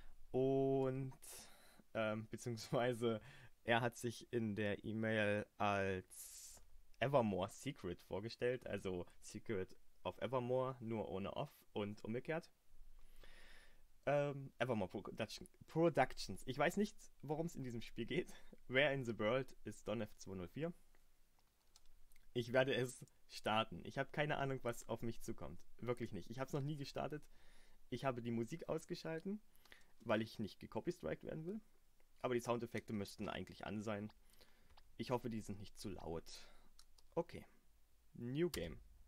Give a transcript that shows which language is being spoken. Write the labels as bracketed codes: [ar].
[de] Und beziehungsweise er hat sich in der E-Mail als Evermore Secret vorgestellt. Also Secret of Evermore, nur ohne Off und umgekehrt. Evermore Productions. Ich weiß nicht, worum es in diesem Spiel geht. [en] Where in the World is Don F204? [de] Ich werde es starten. Ich habe keine Ahnung, was auf mich zukommt. Wirklich nicht. Ich habe es noch nie gestartet. Ich habe die Musik ausgeschalten, weil ich nicht gecopystrikt werden will. Aber die Soundeffekte müssten eigentlich an sein. Ich hoffe, die sind nicht zu laut. Okay. New Game.